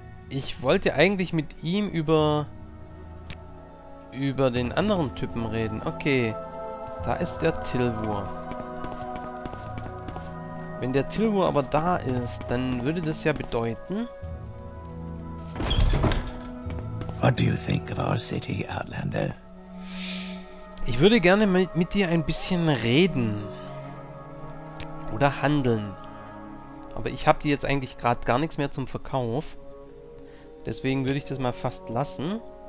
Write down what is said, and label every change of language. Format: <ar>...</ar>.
<de>Ich wollte eigentlich mit ihm über den anderen Typen reden. Okay, da ist der Tilvur. Wenn der Tilvur aber da ist, dann würde das ja bedeuten...</de> <en>What do you think of our city, Outlander?</en> <de>Ich würde gerne mit dir ein bisschen reden. Oder handeln. Aber ich habe dir jetzt eigentlich gerade gar nichts mehr zum Verkauf. Deswegen würde ich das mal fast lassen.</de>